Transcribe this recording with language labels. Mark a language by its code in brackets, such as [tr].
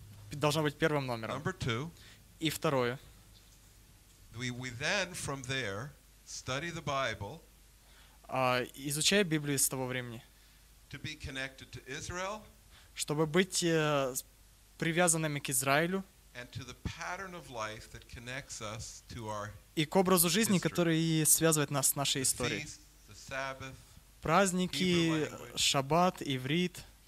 [ru] Должно быть первым номером. [en] Number two, [ru] и второе. [en] We then from there study the Bible, [ru] изучая Библию с того времени, [en] to be connected to Israel, [ru] чтобы быть привязанными к Израилю, [en] and to the pattern of life that connects us to our [ru] и к образу жизни, который связывает нас с нашей историей. [en] The Sabbath, [ru] праздники, Шаббат, иврит.